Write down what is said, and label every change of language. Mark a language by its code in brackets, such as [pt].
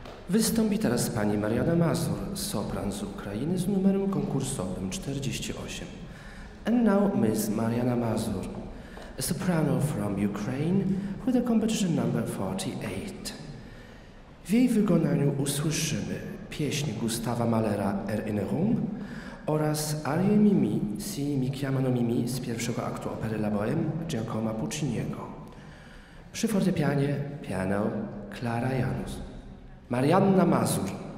[pl] Wystąpi teraz pani Mariana Mazur, sopran z Ukrainy z numerem konkursowym 48. [en] And now Miss Mariana Mazur, a soprano from Ukraine with a competition number 48. [pl] W jej wykonaniu usłyszymy pieśń Gustawa Malera Erinnerung oraz arię Mimi, si mi chiamano Mimi z pierwszego aktu opery La Bohème Giacomo Pucciniego. Przy fortepianie, piano, Clara Janus. Marianna Mazur.